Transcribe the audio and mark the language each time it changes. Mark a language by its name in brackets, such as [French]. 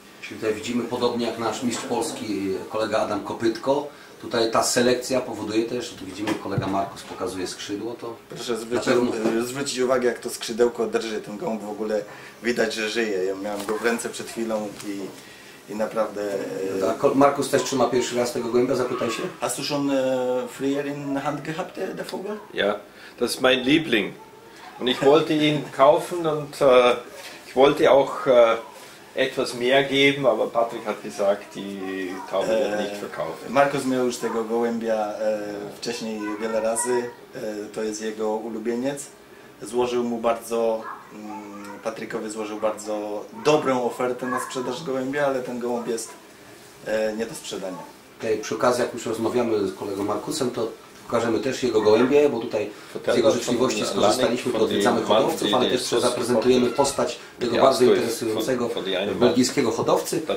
[Polish] Czyli tutaj widzimy, podobnie jak nasz mistrz polski kolega Adam Kopytko, tutaj ta selekcja powoduje też, tu widzimy, kolega Markus pokazuje skrzydło, to... Proszę zwrócić uwagę, jak to skrzydełko drży, ten gołąb w ogóle widać, że żyje, ja miałem go w ręce przed chwilą i... I naprawdę. Markus też trzyma pierwszy raz tego gołębia, zapytaj się. [German] Hast du schon früher in der Hand gehabt, der Vogel? Ja, das ist mein Liebling. Und ich wollte ihn kaufen und ich wollte auch etwas mehr geben, aber Patrick hat gesagt, die Tauben werden nicht verkauft. [Polish] Markus miał już tego gołębia wcześniej wiele razy. To jest jego ulubieniec. Złożył mu bardzo. Patrykowi złożył bardzo dobrą ofertę na sprzedaż gołębia, ale ten gołąb jest nie do sprzedania. Okay, przy okazji, jak już rozmawiamy z kolegą Markusem, to pokażemy też jego gołębie, bo tutaj z jego życzliwości skorzystaliśmy, to odwiedzamy hodowców, ale też zaprezentujemy postać tego bardzo interesującego belgijskiego hodowcy.